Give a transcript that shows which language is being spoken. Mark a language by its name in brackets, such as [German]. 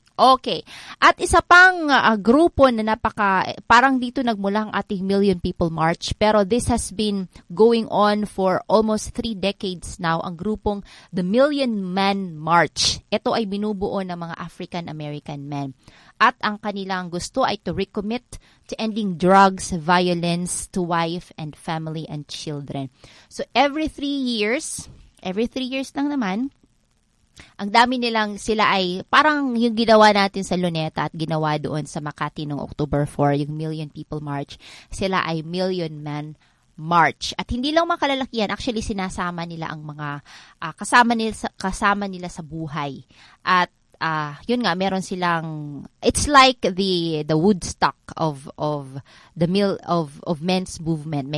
[Filipino] Okay, at isa pang grupo na napaka, parang dito nagmula ang ating Million People March, pero [English] this has been going on for almost 3 decades now, [Filipino] ang grupong The Million Men March. Ito ay binubuo ng mga African-American men. At ang kanilang gusto ay [English] to recommit to ending drugs, violence to wife and family and children. [Filipino] So every three years lang naman, ang dami nilang, sila ay parang yung ginawa natin sa Luneta at ginawa doon sa Makati noong October 4, yung Million People March, sila ay Million Men March. At hindi lang mga kalalakihan, actually sinasama nila ang mga kasama nila sa buhay. At yun nga, meron silang, [English] it's like the Woodstock of men's movement.